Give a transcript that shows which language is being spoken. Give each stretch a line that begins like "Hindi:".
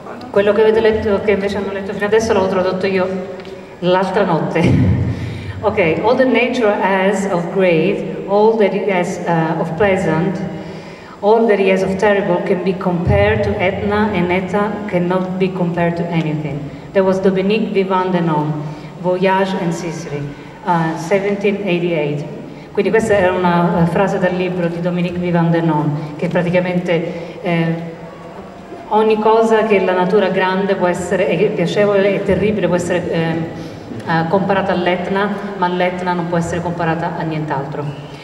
Italian: Quello che avete letto, che invece hanno letto fino adesso, l'ho tradotto io l'altra notte.
English: Ok, all the nature has of great, all that it has of pleasant, all that he has of terrible can be compared to Etna, and Etna cannot be compared to anything. There was Dominique Vivant Denon, Voyage in Sicily, 1788.
Italian: Quindi questa era una frase dal libro di Dominique Vivant Denon, che praticamente ogni cosa che la natura grande può essere, è piacevole e terribile, può essere comparata all'Etna, ma l'Etna non può essere comparata a nient'altro.